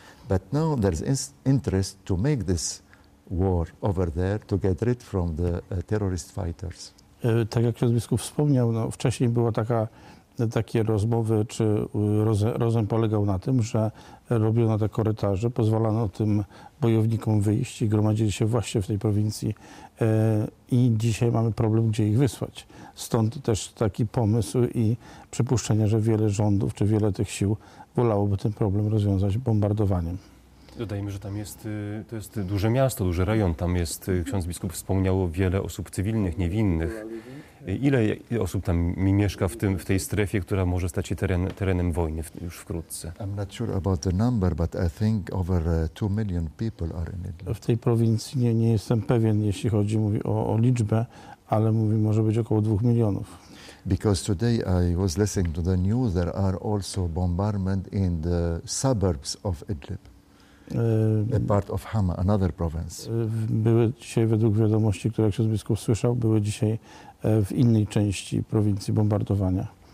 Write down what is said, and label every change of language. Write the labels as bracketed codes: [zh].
[en] But now there's interest to make this war over there to get rid from the terrorist fighters. [pl] Tak jak ksiądz biskup wspomniał, no wcześniej była takie rozmowy, czy rozem polegał na tym, że robiono te korytarze, pozwalano tym bojownikom wyjść i gromadzili się właśnie w tej prowincji. I dzisiaj mamy problem, gdzie ich wysłać. Stąd też taki pomysł i przypuszczenie, że wiele rządów, czy wiele tych sił wolałoby ten problem rozwiązać bombardowaniem. Dodajmy, że tam jest, to jest duże miasto, duży rejon. Tam jest, ksiądz biskup wspomniał, wiele osób cywilnych, niewinnych. Ile osób tam mieszka w tej strefie, która może stać się terenem wojny już wkrótce? [en] I'm not sure about the number, but I think over 2 million people are in Idlib. [pl] W tej prowincji nie jestem pewien, jeśli chodzi o liczbę, ale mówi, może być około 2 milionów. [en] Because today I was listening to the news, there are also bombardment in the suburbs of Idlib. A part of Hama, another province. [pl] Były dzisiaj, według wiadomości, które ksiądz biskup słyszał, były dzisiaj w innej części prowincji bombardowania.